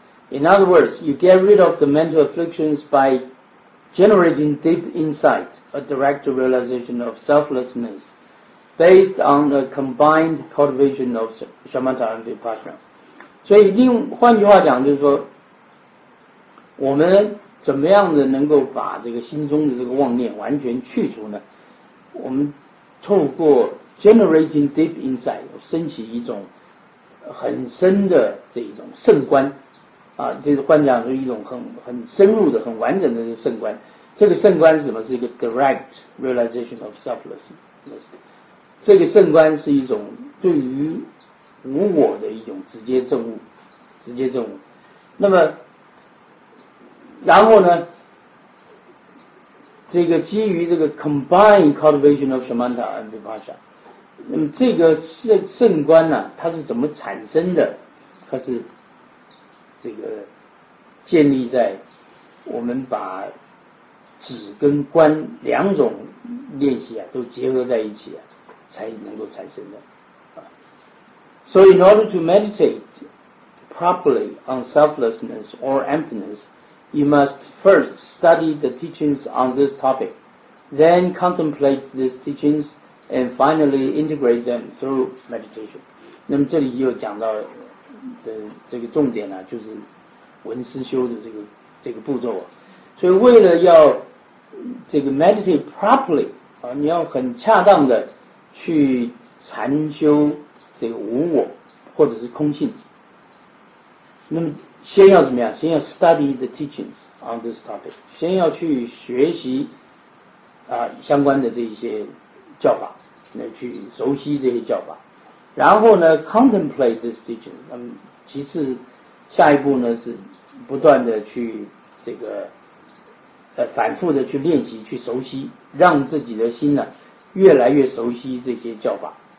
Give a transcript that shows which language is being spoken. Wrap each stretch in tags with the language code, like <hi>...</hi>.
<en>In other words, you get rid of the mental afflictions by generating deep insight, a direct realization of selflessness, based on a combined cultivation of shamatha and vipassana.</en> <zh>所以另换句话讲，就是说我们怎么样的能够把这个心中的这个妄念完全去除呢？我们透过</zh> <en>generating deep insight，</en> <zh>升起一种很深的这一种圣观啊，就是换句话讲，是一种很深入的、很完整的这个圣观。这个圣观是什么？是一个</zh> <en>direct realization of selflessness。</en> <zh>这个圣观是一种对于无我的一种直接证悟，直接证悟。那么然后呢，这个基于这个</zh> <en>combined cultivation of shamatha and vipassana，</en> <zh>那么这个圣观呢、啊、它是怎么产生的？它是这个建立在我们把止跟观两种练习啊都结合在一起啊才能够产生的。</zh> <en>So in order to meditate properly on selflessness or emptiness, you must first study the teachings on this topic, then contemplate these teachings, and finally integrate them through meditation.</en> <zh>那么这里又讲到的这个重点呢、啊，就是文思修的这个步骤、啊。所以为了要这个</zh> <en>meditate properly</en> <zh>啊，你要很恰当的去禅修。这个无我或者是空性，那么先要怎么样？先要</zh> <en>study the teachings on this topic，</en> <zh>先要去学习啊、相关的这一些教法，那去熟悉这些教法，然后呢</zh> <en>contemplate this teaching，</en> <zh>那么其次下一步呢是不断的去这个反复的去练习，去熟悉，让自己的心呢越来越熟悉这些教法。</zh>